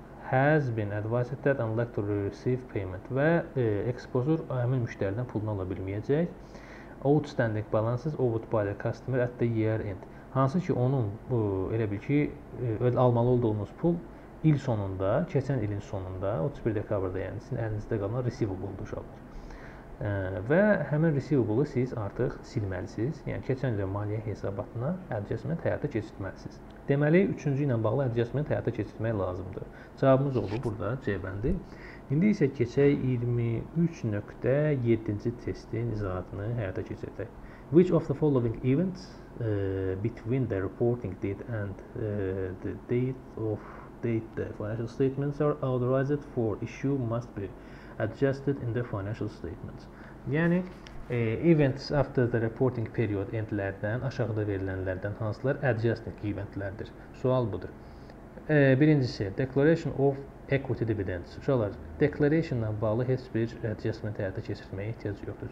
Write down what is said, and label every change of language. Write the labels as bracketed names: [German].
[English] Has been advised that unlikely to receive payment [Azerbaijani] və exposure həmin müştəridən pulunu ala bilməyəcək. [English] Outstanding balances owed by the customer at the year end. [Azerbaijani] Hansı ki onun elə bil ki almalı olduğunuz pul İl sonunda, keçən ilin sonunda, 31 dekabrda yəni sizin əlinizdə qalan receivable-dur uşaqlar. Və həmin receivable-ı siz artıq silməlisiniz. Yəni, keçən ilə maliyyə hesabatına adjustment həyata keçirtməlisiniz. Deməli, üçüncü ilə bağlı adjustment həyata keçirtmək lazımdır. Cavabımız oldu burada, C bəndi. İndi isə keçək 23.7-ci testin izahatını həyata keçirtək. [English] Which of the following events between the reporting date and the date of the financial statements are authorized for issue must be adjusted in the financial statements. [Azerbaijani] Yəni, [English] events after the reporting period [Azerbaijani] endlərdən, aşağıda verilənlərdən hansılar adjusting eventlərdir? Sual budur. Birincisi, [English] declaration of equity dividends. [Azerbaijani] Uşaqlar, declaration-la bağlı heç bir adjustment həyata keçirməyə ehtiyacı yoxdur.